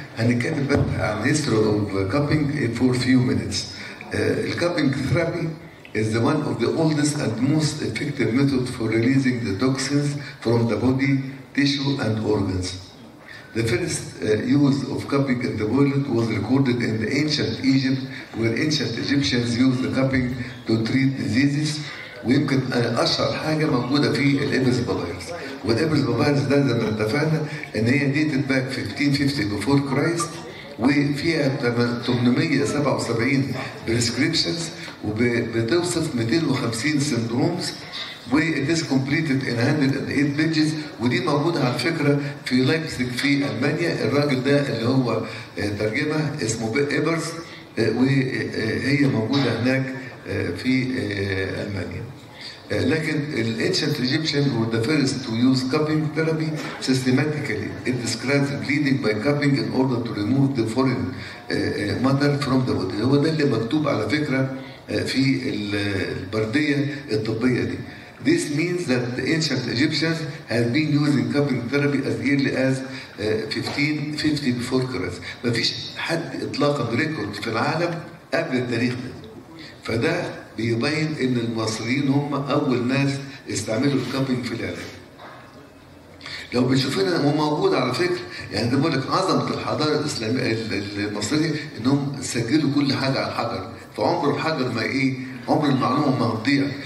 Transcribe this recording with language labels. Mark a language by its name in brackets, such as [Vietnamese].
[Arabic] هنتكلم بقى عن [English] History of cupping for few minutes. الكابينج therapy is the one of the oldest and most effective method for releasing the toxins from the body, tissue and organs. The first use of cupping in the world was recorded in ancient Egypt, where ancient Egyptians used the cupping to treat diseases. [Arabic] ويمكن أشهر حاجة موجودة في الإبرز بابيرس، والإبرز بابيرس ده زي ما اتفقنا إن هي [English] dated back 1550 before Christ، [Arabic] وفيها [English] 877 prescriptions [Arabic] وبتوصف [English] 250 syndromes. It is completed in 108 pages. [Arabic] ودي موجودة على فكرة في لايبزيغ في ألمانيا. الراجل ده اللي هو ترجمة اسمه إيبرز، وهي موجودة هناك في ألمانيا. لكن [English] الانشنت ايجيبشن [Arabic] هو [English] The first to use cupping therapy systematically. It describes bleeding by cupping in order to remove the foreign matter from the body. [Arabic] هو ده اللي مكتوب على فكرة في البردية الطبية دي. [English] This means that the ancient Egyptians had been using cupping therapy as early as 1550 before Christ. [Arabic] ما فيش حد اطلاقا ريكورد في العالم قبل التاريخ ده. فده بيبين ان المصريين هم اول ناس استعملوا الكابينج في العالم. لو بنشوفنا هو موجود على فكره، يعني بقول لك عظمه الحضاره الاسلاميه المصريه انهم سجلوا كل حاجه على الحجر، فعمر الحجر ما ايه؟ عمر المعلومه ما هتضيع.